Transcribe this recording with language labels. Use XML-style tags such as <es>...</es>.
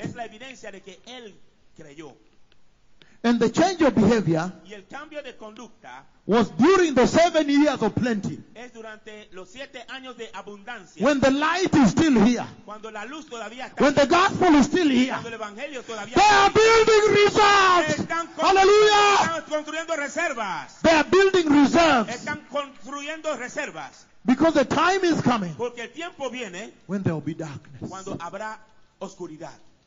<es>Es la evidencia de que él creyó.</es> <en>And the change of behavior</en> <es>y el cambio de conducta</es> <en>was during the 7 years of plenty.</en> <es>Es durante los siete años de abundancia.</es> <en>When the light is still here.</en> <es>Cuando la luz todavía está</es> <en>when the gospel is still here.</en> <es>Cuando el evangelio todavía</es> <en>they are building reserves.</en> <es>Están</es> <en>hallelujah.</en> <es>Están construyendo reservas.</es> <en>They are building reserves.</en> <es>Están construyendo reservas.</es> <en>Because the time is coming.</en> <es>Porque el tiempo viene</es> <en>when there will be darkness.</en> <es>Cuando habrá oscuridad.</es>